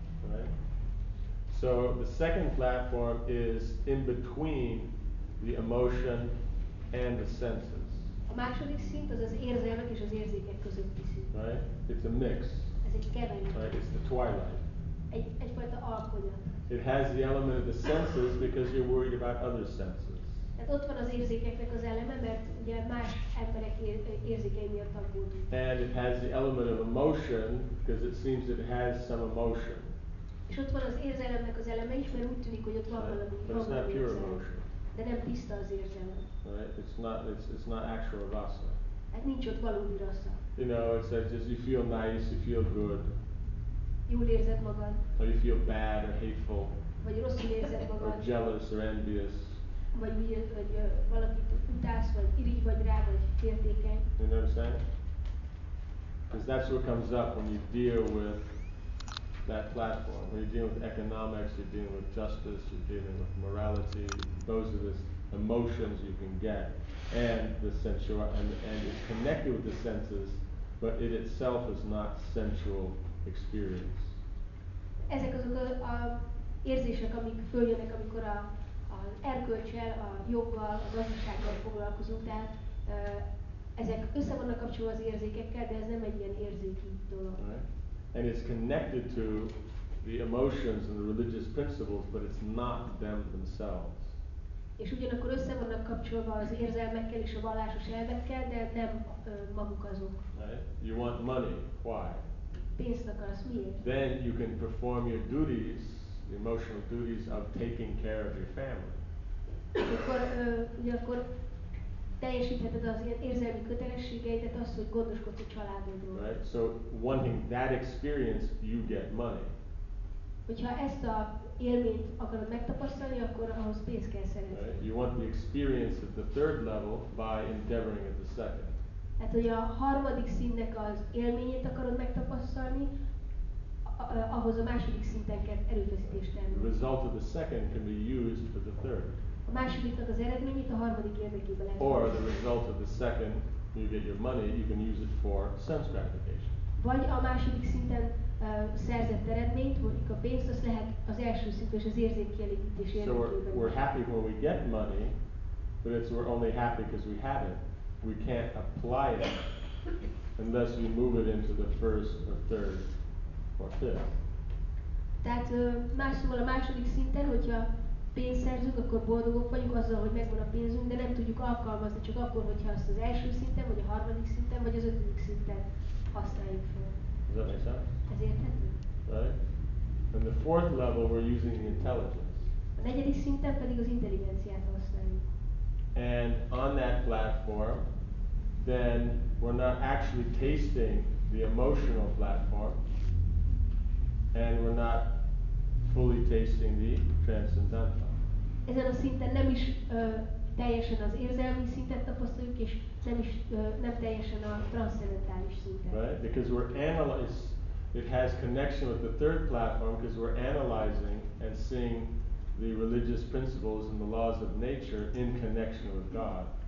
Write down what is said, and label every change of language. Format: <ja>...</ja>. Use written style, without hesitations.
<en>Right? So, the second platform is in between the emotion and the senses.</en> <hu>A második szint az az érzelmek és az érzékek közötti szint.</hu> <en>Right? It's a mix.</en> <hu>Ez egy keverék.</hu> <en>Right? It's the twilight.</en> <hu>Egyfajta alkonyat.</hu> <en>It has the element of the senses because you're worried about other senses.</en> <hu>Tehát ott van az érzékeknek az eleme, mert ugye más emberek érzékei miatt aggódunk.</hu> <en>And it has the element of emotion because it seems it has some emotion.</en> <hu>És ott van az érzelemnek az eleme is, mert úgy tűnik, hogy ott van valami.</hu> <en>But it's not pure emotion.</en> <hu>De nem tiszta az érzelem.</hu> <en>Right? It's not actual rasa.</en> <hu>Hát nincs ott valódi rasa.</hu> <en>You know, it's like just you feel nice, you feel good.</en> <hu>Jól érzed magad.</hu> <en>Or you feel bad or hateful.</en> <hu>Vagy rosszul érzed magad.</hu> <en>Or jealous or envious.</en> <hu>Vagy miért, vagy valakit utálsz, vagy irigy vagy rá, vagy féltékeny.</hu> <en>You know what I'm saying? Because that's what comes up when you deal with that platform. When you're dealing with economics, you're dealing with justice, you're dealing with morality. Those are the emotions you can get, and the sensual, and it's connected with the senses, but it itself is not sensual experience.</en> <hu>Ezek azok az érzések, amik följönnek, amikor az erkölcsel, a joggal, a gazdasággal foglalkozunk, tehát ezek össze vannak kapcsolva az érzékekkel, de ez nem egy ilyen érzéki dolog.</hu> <en>And it's connected to the emotions and the religious principles, but it's not them themselves.</en> <hu>És ugyanakkor össze vannak kapcsolva az érzelmekkel és a vallásos elvekkel, de nem maguk azok.</hu> <en>Right? You want money. Why?</en> <hu>Pénzt akarsz. Miért?</hu> <en>Then you can perform your duties, the emotional duties of taking care of your family.</en> <hu>Akkor ugyanakkor teljesítheted az ilyen érzelmi kötelességeidet, azt, hogy gondoskodsz a családodról.</hu> <en>Right? So wanting that experience, you get money.</en> <hu>Hogyha ezt a élményt akarod megtapasztalni, akkor ahhoz pénzt kell szerezni.</hu> <en>Right? You want the experience at the third level by endeavoring at the second.</en> <hu>Hát, hogy a harmadik szintnek az élményét akarod megtapasztalni, ahhoz a második szinten kell erőfeszítést tenni.</hu> <en>The result of the second can be used for the third.</en> <hu>A másodiknak az eredményét a harmadik érdekében lehet.</hu> <en>Or the result of the second, you get your money, you can use it for sense gratification.</en> <hu>Vagy a második szinten szerzett eredményt, mondjuk a pénzt, az lehet az első szintű és az érzékkielégítés érdekében.</hu> <en>So we're happy when we get money, but it's we're only happy because we have it. We can't apply it unless we move it into the first or third or fifth.</en> <hu>Tehát másszóval a második szinten, hogyha pénzt szerzünk, akkor boldogok vagyunk azzal, hogy megvan a pénzünk, de nem tudjuk alkalmazni csak akkor, hogyha azt az első szinten, vagy a harmadik szinten, vagy az ötödik szinten használjuk fel.</hu> <en>Does that make sense?</en> <hu>Ez érthető?</hu> <en>Right. And the fourth level we're using the intelligence.</en> <hu>A negyedik szinten pedig az intelligenciát használjuk.</hu> <en>And on that platform, then we're not actually tasting the emotional platform, and we're not fully tasting the transcendental.</en> <hu>Ezen a szinten nem is teljesen az érzelmi szintet tapasztaljuk, és nem teljesen a transzcendentális szintet.</hu> <en>Right? Because we're it has connection with the third platform, because we're analyzing and seeing the religious principles and the laws of nature in connection with God.</en>